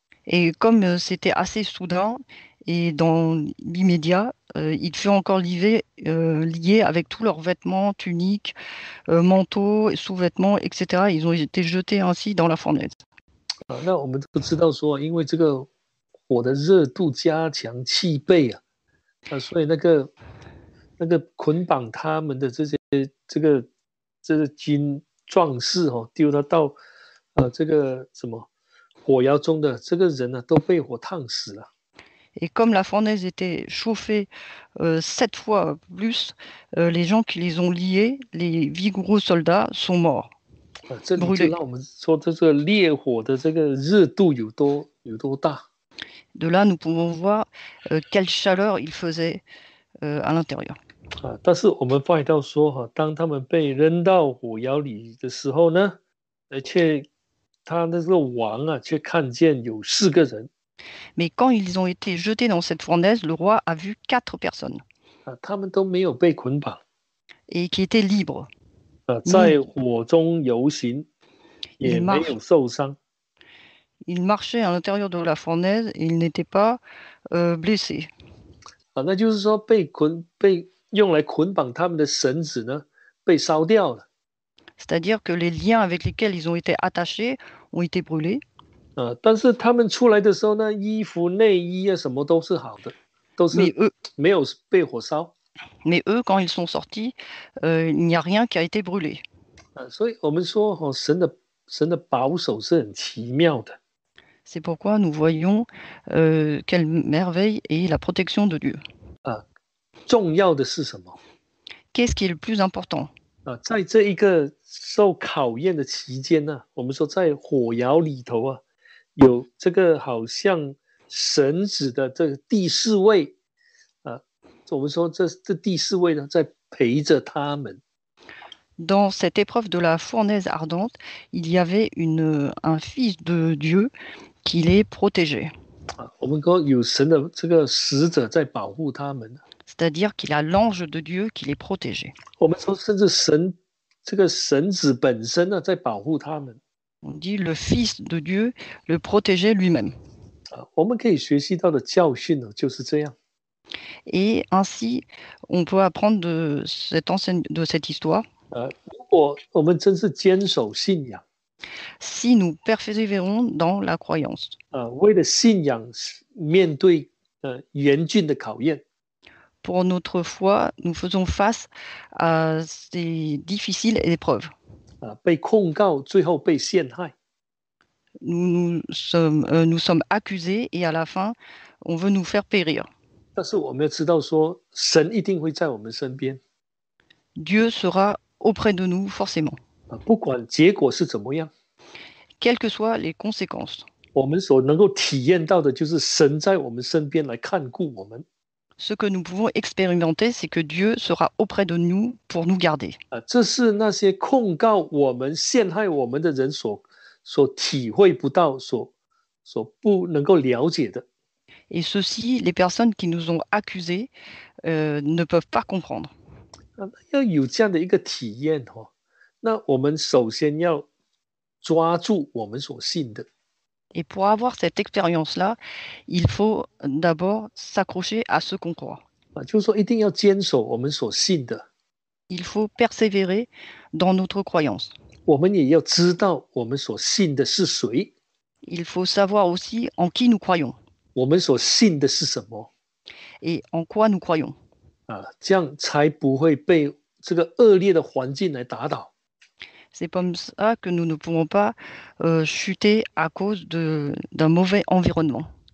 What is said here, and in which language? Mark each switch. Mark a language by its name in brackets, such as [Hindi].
[French] Et comme c'était assez soudain et dans l'immédiat, ils furent encore liés avec tous leurs vêtements, tuniques, manteaux, sous-vêtements, etc. Ils ont été jetés ainsi dans la fournaise. [Chinese] 那我们都知道说，因为这个火的热度加强气倍啊，所以那个捆绑他们的这个金壮士哦，丢他到这个什么火窑中的这个人呢，都被火烫死了。 [French] Et comme la fournaise était chauffée 7 fois plus, les gens qui les ont liés, les vigoureux soldats, sont morts, [Chinese] 这里就 [French] brûlés. [Chinese] 让我们说，这个烈火的这个热度有多大？ [French] De là, nous pouvons voir quelle chaleur il faisait à l'intérieur. [Chinese] 但是我们发现到说，当他们被扔到火窑里的时候呢，而且他那个王啊，却看见有四个人。 [French] Mais quand ils ont été jetés dans cette fournaise, le roi a vu 4 personnes [Chinese] 他们都没有被捆绑。 [French] et qui étaient libres, [Chinese] 在 [French] nus. [Chinese] 火中游行， [French] Ils [Chinese] 也没 [French] marchent. [Chinese] 有受伤。 [French] Ils marchaient à l'intérieur de la fournaise et ils n'étaient pas blessés. [Chinese] 那就是说被用来捆绑他们的绳子呢，被烧掉了。 [French] C'est-à-dire que les liens avec lesquels ils ont été attachés ont été brûlés. [Chinese] 但是他们出来的时候呢，衣服、内衣啊，什么都是好的，都是没有被火烧。 [French] Mais eux, quand ils sont sortis, il n'y a rien qui a été brûlé. [Chinese] 所以我们说，神的保守是很奇妙的。 [French] C'est pourquoi nous voyons quelle merveille est la protection de Dieu. [Chinese] 重要的是什么？ [French] Qu'est-ce qui est le plus important? [Chinese] 在这一个受考验的期间呢，我们说在火窑里头啊，有这个好像神子的这个第四位，我们说这第四位呢，在陪着他们。 [French] Dans cette épreuve de la fournaise ardente, il y avait un fils de Dieu qui les protégeait. [Chinese] 我们说有神的这个使者在保护他们。 [French] C'est-à-dire qu'il y a l'ange de Dieu qui les protégeait. [Chinese] 我们说，甚至神这个神子本身呢，在保护他们。 [French] On dit le fils de Dieu le protégeait lui-même. [Chinese] 我们可以学习到的教训呢，就是这样。 [French] Et ainsi, on peut apprendre de cette histoire. [Chinese] 如果我们真是坚守信仰， [French] Si nous persévérons dans la croyance, [Chinese] 为了信仰面对严峻的考验。 [French] pour notre foi, nous faisons face à ces difficiles épreuves. [Chinese] 被控告，最后被陷害。 [French] Nous sommes accusés et à la fin, on veut nous faire périr. [Chinese] 但是我们要知道说，神一定会在我们身边。 [French] Dieu sera auprès de nous, forcément. [Chinese] 不管结果是怎么样， [French] Quelles que soient les conséquences, [Chinese] 我们所能够体验到的，就是神在我们身边来看顾我们。 [French] ce que nous pouvons expérimenter, c'est que Dieu sera auprès de nous pour nous garder. [Chinese] 这是那些控告我们、陷害我们的人所体会不到、所不能够了解的。 [French] Et ceci, les personnes qui nous ont accusés, ne peuvent pas comprendre. [Chinese] 要有这样的一个体验哦，那我们首先要抓住我们所信的。 [French] Et pour avoir cette expérience-là, il faut d'abord s'accrocher à ce qu'on croit. [Chinese] 就是说，一定要坚守我们所信的。 [French] Il faut persévérer dans notre croyance. [Chinese] 我们也要知道我们所信的是谁。 [French] Il faut savoir aussi en qui nous croyons. [Chinese] 我们所信的是什么？ [French] Et en quoi nous croyons. [Chinese] 这样才不会被这个恶劣的环境来打倒。 [French] C'est comme ça que nous ne pouvons pas chuter à cause d'un mauvais environnement.